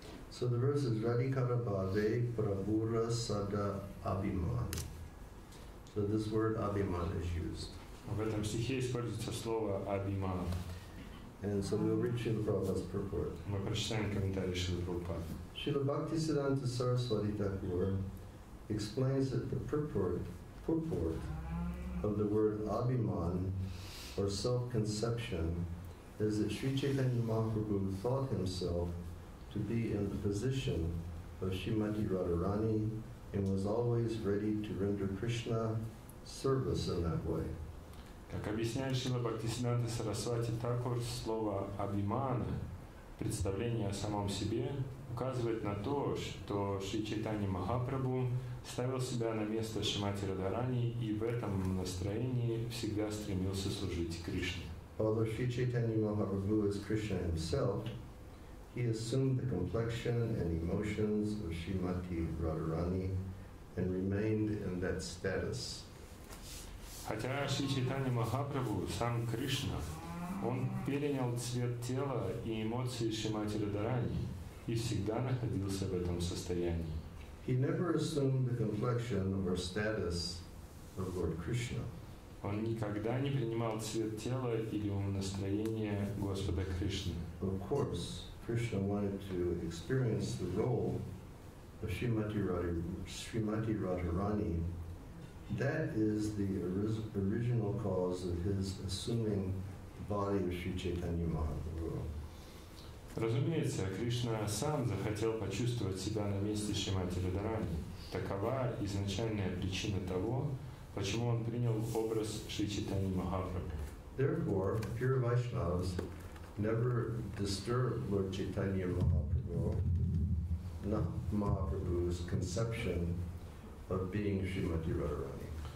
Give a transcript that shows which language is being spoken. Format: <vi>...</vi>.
<en>So the verse is</en> <bn>Radhikarabhave Prabhura Sada Abhiman.</bn> <en>So this word Abhiman is used.</en> <ru>В этом стихе используется слово Abhiman.</ru> <en>And so we'll read Srila Prabhupada's purport.</en> <ru>Мы прочитаем комментарий Шрилы Прабхупады.</ru> <en>Srila Bhaktisiddhanta Saraswati Thakur explains that the purport of the word Abhiman or self-conception is that Sri Chaitanya Mahaprabhu thought himself to be in the position of Srimati Radharani and was always ready to render Krishna service in that way.</en> <ru>Как объясняет Шрила Бхактисиддханта Сарасвати Такур, слово «абимана», представление о самом себе, указывает на то, что Шри Чайтани Махапрабху ставил себя на место Шримати Радхарани и в этом настроении всегда стремился служить Кришне.</ru> <en>Although Sri Chaitanya Mahaprabhu is Krishna himself, he assumed the complexion and emotions of Srimati Radharani and remained in that status.</en> <ru>Хотя Шри Чайтанья Махапрабху, сам Кришна, он перенял цвет тела и эмоции Шримати Радхарани и всегда находился в этом состоянии.</ru> <en>He never assumed the complexion or status of Lord Krishna.</en> <ru>Он никогда не принимал цвет тела или ум настроения Господа Кришны.</ru> <en>Of course, Krishna wanted to experience the role of Srimati Radharani. That is the original cause of his assuming the body of Sri Chaitanya Mahaprabhu.</en> <ru>Разумеется, Кришна сам захотел почувствовать себя на месте Шримати Радхарани. Такова изначальная причина того, почему он принял образ Шри Чайтаньи Махапрабху.</ru> <en>Therefore, pure Vaishnavas never disturb Lord Chaitanya Mahaprabhu, not Mahaprabhu's conception of being Srimati Radharani.</en>